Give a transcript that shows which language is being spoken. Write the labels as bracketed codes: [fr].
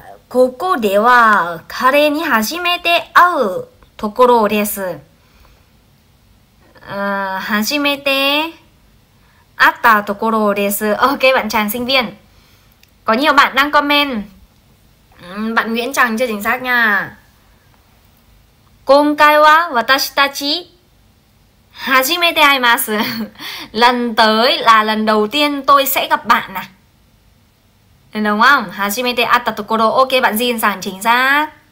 [ja] ここでは彼に初めて会うところです。初めて会ったところです。 [vi] Ok, bạn chàng sinh viên. Có nhiều bạn đang comment. Bạn Nguyễn Trần chưa chính xác nha. [ja] 今回は私たち初めて会います。 [vi] lần tới là lần đầu tiên tôi sẽ gặp bạn à. Đúng không? [ja] 初めて会ったところ [vi] OK, bạn Jin さん chính xác.